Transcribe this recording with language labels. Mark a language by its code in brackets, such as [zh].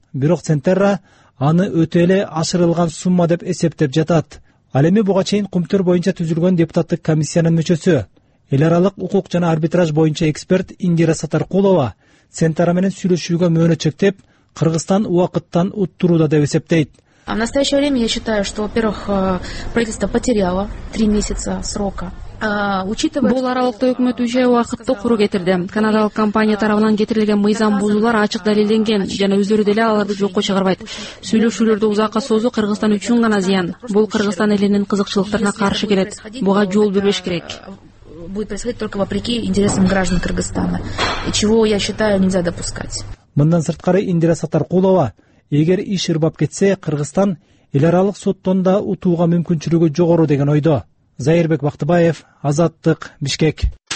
[ky] Бирок Центерра аны өтө эле ашырылган сумма деп эсептеп жатат. Ал эми буга чейин кумтор боюнча түзүлгөн депутаттык комиссиянын мүчөсү, эл аралык укук жана арбитраж боюнча эксперт Индира Сатаркулова Центера менен сүйлөшүүгө мөөнөт чектеп, Кыргызстан убакыттан уттурууда деп эсептейт. [ru] В настоящее время я считаю, что, во-первых, правительство потеряло 3 месяца срока. [ky] Бул аралыкта өкмөт үч ай убакытты куру кетирди. Канадалык компания тарабынан кетирилген мыйзам бузуулар ачык далилденген жана өздөрү деле аларды жокко чыгарбайт. Сүйлөшүүлөрдү узакка созуу Кыргызстан үчүн гана зыян. Бул Кыргызстан элинин кызыкчылыктарына каршы келет. Буга жол бербеш керек. [ru] Будет происходить только вопреки интересам граждан Кыргызстана, чего я считаю нельзя допускать. [ky] Мындан сырткары Индира Сатаркулова, эгер иш ырбап кетсе, Кыргызстан эл аралык соттон да утууга мүмкүнчүлүгү жогору деген ойдо. Зайырбек Бактыбаев, Азаттык, Бишкек.